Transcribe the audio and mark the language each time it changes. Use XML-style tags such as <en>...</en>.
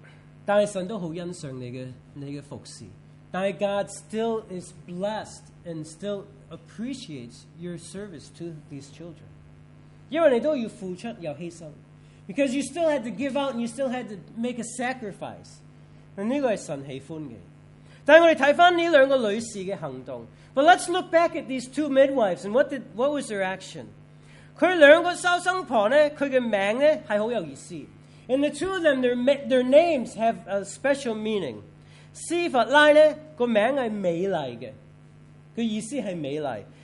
<zh>我见不到任何人去威胁你的。但是神都很欣赏你的服侍。</zh> <en>But God still is blessed and still appreciates your service to these children. Because you still had to give out and you still had to make a sacrifice.</en> <zh>这个是神喜欢的。但我们看回这两个女士的行动,</zh> <en>but let's look back at these two midwives and what was their action?</en> <zh>她两个收生婆呢,她的名字是很有意思。</zh> <en>And the two of them, their names have a special meaning.</en> <zh>司法拉呢,她的名字是美丽的。她的意思是美丽。</zh>